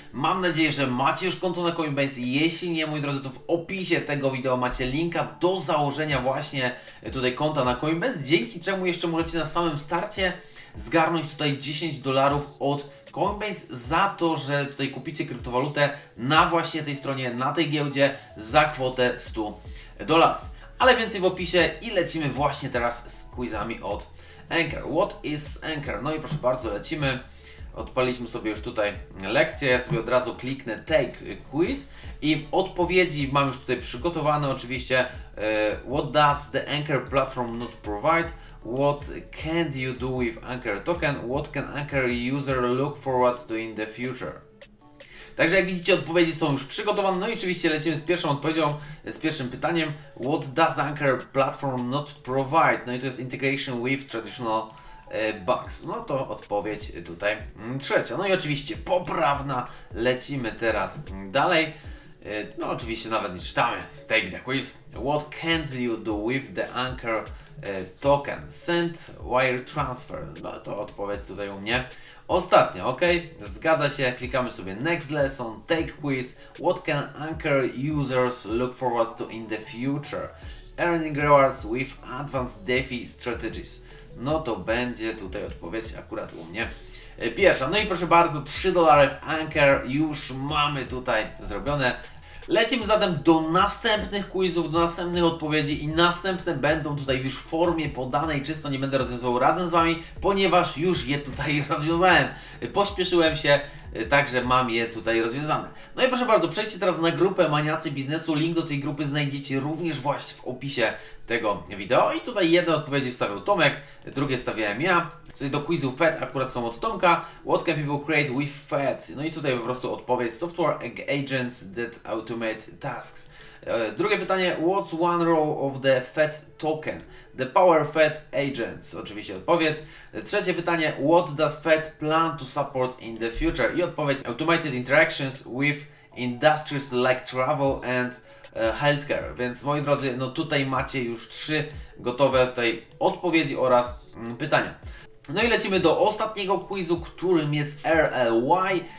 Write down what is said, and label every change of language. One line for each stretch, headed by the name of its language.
Polish: Mam nadzieję, że macie już konto na Coinbase. Jeśli nie, moi drodzy, to w opisie tego wideo macie linka do założenia właśnie tutaj konta na Coinbase, dzięki czemu jeszcze możecie na samym starcie zgarnąć tutaj 10 dolarów od Coinbase za to, że tutaj kupicie kryptowalutę na właśnie tej stronie, na tej giełdzie za kwotę 100 dolarów. Ale więcej w opisie i lecimy właśnie teraz z quizami od Anchor. What is Anchor? No i proszę bardzo, lecimy. Odpaliliśmy sobie już tutaj lekcję, ja sobie od razu kliknę Take Quiz i odpowiedzi mam już tutaj przygotowane oczywiście.
English: What does the Anchor platform not provide? What can you do with Anchor token? What can Anchor user look forward to in the future?
Polish: Także jak widzicie, odpowiedzi są już przygotowane. No i oczywiście lecimy z pierwszą odpowiedzią, z pierwszym pytaniem.
English: What does Anchor platform not provide?
Polish: No i to jest
English: integration with traditional banks.
Polish: No to odpowiedź tutaj trzecia. No i oczywiście poprawna. Lecimy teraz dalej. No oczywiście nawet nie czytamy.
English: Take the quiz. What can you do with the Anchor token? Send wire transfer.
Polish: No to odpowiedź tutaj u mnie. Ostatnia, ok? Zgadza się. Klikamy sobie next lesson.
English: Take quiz. What can Anchor users look forward to in the future? Earning rewards with advanced DeFi strategies.
Polish: No to będzie tutaj odpowiedź akurat u mnie pierwsza. No i proszę bardzo, 3 dolary w Anchor już mamy tutaj zrobione. Lecimy zatem do następnych quizów, do następnych odpowiedzi i następne będą tutaj już w formie podanej, czysto nie będę rozwiązywał razem z Wami, ponieważ już je tutaj rozwiązałem. Pośpieszyłem się, także mam je tutaj rozwiązane. No i proszę bardzo, przejdźcie teraz na grupę Maniacy Biznesu. Link do tej grupy znajdziecie również właśnie w opisie tego wideo. I tutaj jedne odpowiedzi wstawiał Tomek, drugie stawiałem ja. Tutaj do quizu Fed akurat są od Tomka.
English: What can people create with Fed?
Polish: No i tutaj po prostu odpowiedź.
English: Software agents that automate tasks.
Polish: Drugie pytanie.
English: What's one role of the Fed token? The power Fed agents.
Polish: Oczywiście odpowiedź. Trzecie pytanie.
English: What does Fed plan to support in the future?
Polish: I odpowiedź.
English: Automated interactions with industries like travel and healthcare.
Polish: Więc moi drodzy, no tutaj macie już 3 gotowe tej odpowiedzi oraz pytania. No i lecimy do ostatniego quizu, którym jest RLY.